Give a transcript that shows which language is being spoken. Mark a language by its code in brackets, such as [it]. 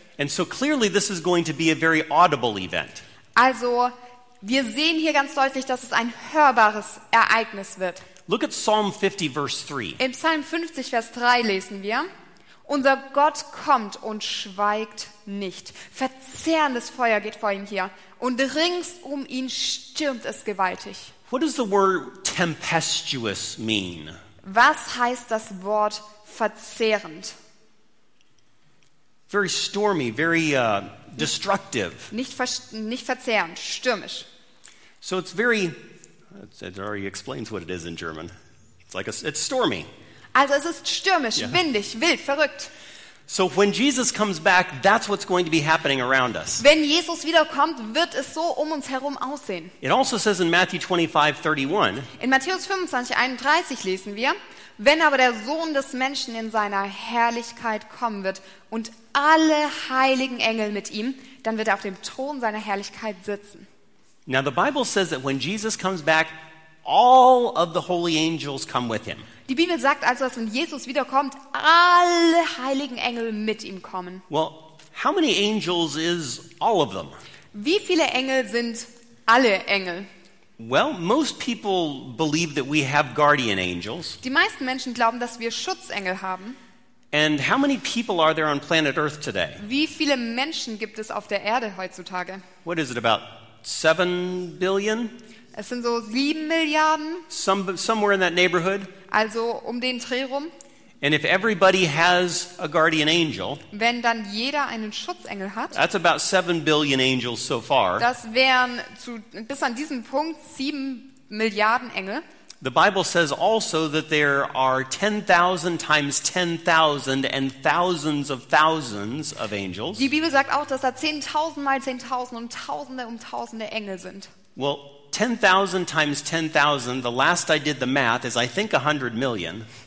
[en] And so clearly this is going to be a very audible event. [de] Also, wir sehen hier ganz deutlich, dass es ein hörbares Ereignis wird. [en] Look at Psalm 50 verse 3. [de] In Psalm 50 Vers 3 lesen wir: Unser Gott kommt und schweigt nicht. Verzehrendes Feuer geht vor ihm her und rings um ihn stürmt es gewaltig. [en] What does the word tempestuous mean? [de] Was heißt das Wort verzehrend? [en] Very stormy, very destructive. [de] Nicht verzehrend, stürmisch. [en] So it's very, it already explains what it is in German. It's stormy. [de] Also es ist stürmisch, yeah. Windig, wild, verrückt. [en] So when Jesus comes back, that's what's going to be happening around us. [de] Wenn Jesus wiederkommt, wird es so um uns herum aussehen. [en] It also says in Matthew 25:31. [de] In Matthäus 25:31 lesen wir, wenn aber der Sohn des Menschen in seiner Herrlichkeit kommen wird und alle heiligen Engel mit ihm, dann wird er auf dem Thron seiner Herrlichkeit sitzen. [en] Now the Bible says that when Jesus comes back, all of the holy angels come with him. [de] Die Bibel sagt also, dass wenn Jesus wiederkommt, alle heiligen Engel mit ihm kommen. [en] Well, how many angels is all of them? [de] Wie viele Engel sind alle Engel? [en] Well, most people believe that we have guardian angels. [de] Die meisten Menschen glauben, dass wir Schutzengel haben. [en] And how many people are there on planet Earth today? [de] Wie viele Menschen gibt es auf der Erde heutzutage? [en] What is it, about 7 billion? [de] Es sind so 7 Milliarden. [en] Somewhere in that neighborhood. [de] Also um den Dreh rum. [en] And if everybody has a guardian angel, [de] wenn dann jeder einen Schutzengel hat, [en] that's about 7 billion angels so far. [de] Das wären zu, bis an diesem Punkt 7 Milliarden Engel. [en] The Bible says also that there are 10,000 times 10,000 and thousands of angels. [de] Die Bibel sagt auch, dass da 10,000 mal 10,000 und tausende Engel sind. [en] Well, 10,000 times 10,000, the last I did the math, is I think 100 million.